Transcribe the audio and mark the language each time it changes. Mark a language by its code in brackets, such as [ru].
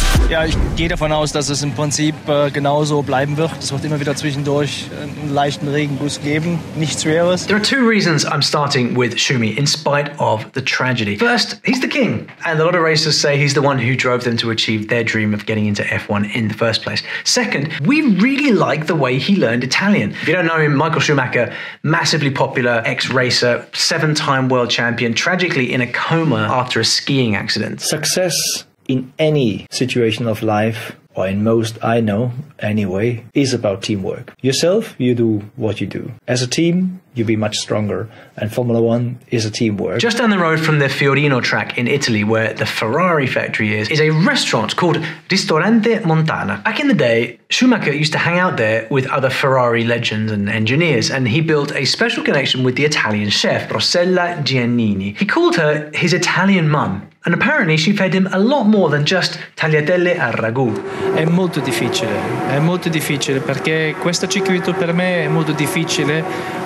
[de] Ja, ich gehe davon aus, dass es im Prinzip genauso bleiben wird. Es wird immer wieder zwischendurch einen leichten Regenguss geben. Nichts Schweres. [en] There are two reasons I'm starting with Schumi, in spite of the tragedy. First, he's the king. And a lot of racers say he's the one who drove them to achieve their dream of getting into F1 in the first place. Second, we really like the way he learned Italian. If you don't know him, Michael Schumacher, massively popular ex-racer, 7-time world champion, tragically in a coma after a skiing accident. Success in any situation of life, or in most I know anyway, is about teamwork. Yourself, you do what you do. As a team, you'd be much stronger, and Formula One is a teamwork. Just down the road from the Fiorino track in Italy, where the Ferrari factory is a restaurant called Ristorante Montana. Back in the day, Schumacher used to hang out there with other Ferrari legends and engineers, and he built a special connection with the Italian chef, Rossella Giannini. He called her his Italian mum, and apparently she fed him a lot more than just tagliatelle al ragù. [it] È molto difficile. È molto difficile perché questo circuito per me è molto difficile.